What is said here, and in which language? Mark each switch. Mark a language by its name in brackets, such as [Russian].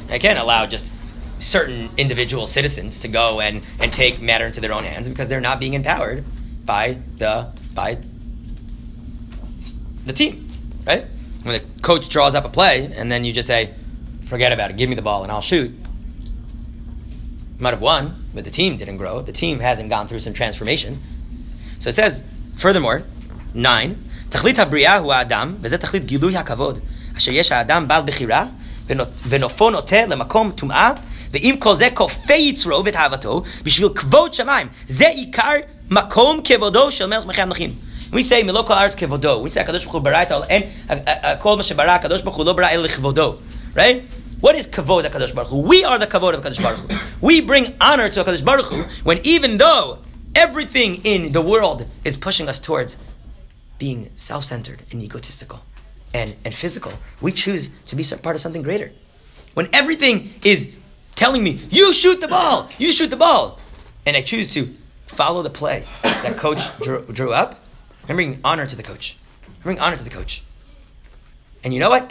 [English] I can't allow just certain individual citizens to go and take matter into their own hands because they're not being empowered by the team, right? When the coach draws up a play and then you just say, "Forget about it. Give me the ball and I'll shoot." Might have won, but the team didn't grow. The team hasn't gone through some transformation. So So it says, furthermore, 9, [Hebrew] תכלית הבריאה הוא האדם, וזה תכלית גילוי הכבוד, אשר יש האדם בעל בחירה, ונופו נוטה למקום טומאה, ואם כל זה כופה יצרו ואת אהבתו, בשביל כבוד שמיים, זה עיקר מקום כבודו של מלך מלכי המלכים. [English] We say, [Hebrew] מלוא כל הארץ כבודו. We say, הקדוש ברוך הוא ברא את העולם, אין, כל מה שברא, הקדוש ברוך הוא לא ברא אלא לכבודו. [English] Right? What is [Hebrew] כבוד הקדוש ברוך הוא? [English] We are the כבוד of הקדוש ברוך הוא. We bring honor to הקדוש ברוך הוא, when even though everything in the world is pushing us towards being self-centered and egotistical and physical, we choose to be part of something greater. When everything is telling me, you shoot the ball, you shoot the ball, and I choose to follow the play that coach drew up, I'm bringing honor to the coach. I'm bringing honor to the coach. And you know what?